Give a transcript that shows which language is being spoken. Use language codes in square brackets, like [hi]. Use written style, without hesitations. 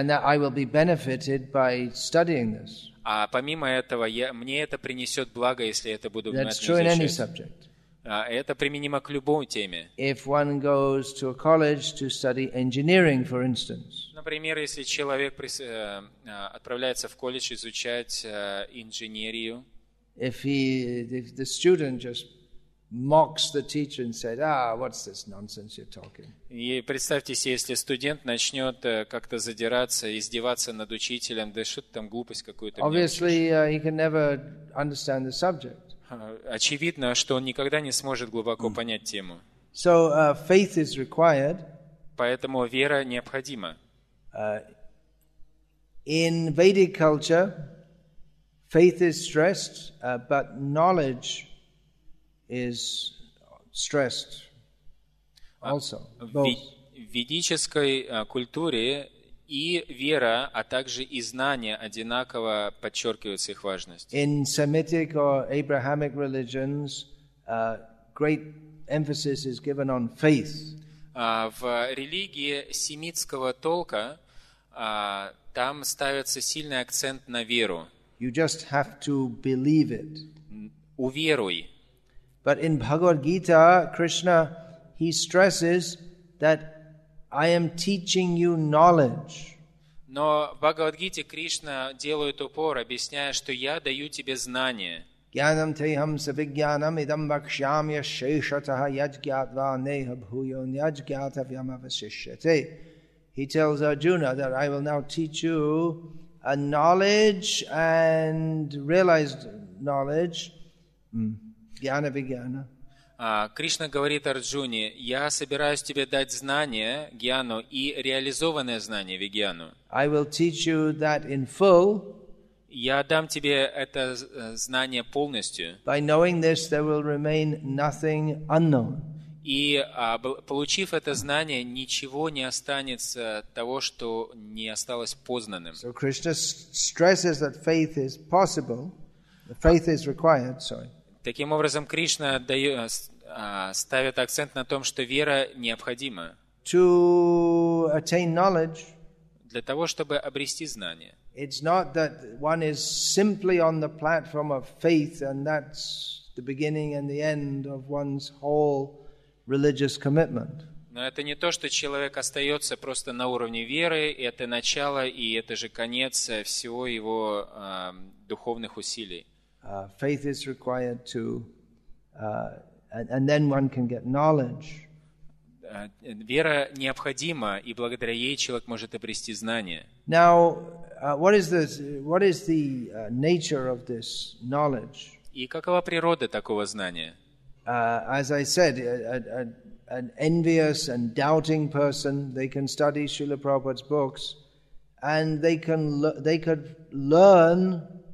[en] And that I will be benefited by studying this. [ru] А помимо этого, мне это принесет благо, если я это буду внимательно изучать. [en] That's true in any subject. [ru] Это применимо к любой теме. [en] If one goes to a college to study engineering, for instance. [ru] Например, если человек отправляется в колледж изучать инженерию. [en] If the student just mocks the teacher and said, what's this nonsense you're talking? [ru] И представьте себе, если студент начнет как-то задираться, издеваться над учителем, да что-то там глупость какую-то. [en] Obviously, he can never understand the subject. [ru] Очевидно, что он никогда не сможет глубоко понять тему. [en] So, faith is required. [ru] Поэтому вера необходима. [en] In Vedic culture, faith is stressed, but knowledge is stressed also. [ru] В ведической культуре и вера, а также и знание одинаково подчеркиваются их важность. [en] In Semitic or Abrahamic religions, great emphasis is given on faith. [ru] В религии семитского толка там ставится сильный акцент на веру. [en] You just have to believe it. [ru] Уверуй. [en] But in Bhagavad Gita, Krishna, he stresses that I am teaching you knowledge. [ru] Но в Бхагавад-гите Кришна делает упор, объясняя, что я даю тебе знание. [sa] Гьянам тейхам савигьянам идам вакшамья шешатаха яджгьятва неха бхуйо няджгьятавьяма васишьяте. [en] He tells Arjuna that I will now teach you a knowledge and realized knowledge. [sa] Гьяна вигьяна. [ru] Кришна говорит Арджуне, я собираюсь тебе дать знание, гьяну, и реализованное знание, вигьяну. [en] I will teach you that in full. [ru] Я дам тебе это знание полностью. [en] By knowing this, there will remain nothing unknown. [ru] И получив это знание, ничего не останется того, что не осталось познанным. [en] So Krishna stresses that faith is possible. The faith is required, sorry. [ru] Таким образом, Кришна ставит акцент на том, что вера необходима [en] to attain knowledge, [ru] для того, чтобы обрести знание. [en] It's not that one is simply on the platform of faith, and that's the beginning and the end of one's whole religious commitment. [ru] Но это не то, что человек остается просто на уровне веры, это начало и это же конец всего его духовных усилий. [en] Faith is required to, and then one can get knowledge. [ru] Вера необходима, и благодаря ей человек может обрести знание. [en] Now, what is the nature of this knowledge? [ru] И какова природа такого знания? [en] As I said, an envious and doubting person, they can study Srila Prabhupada's books, and they could learn.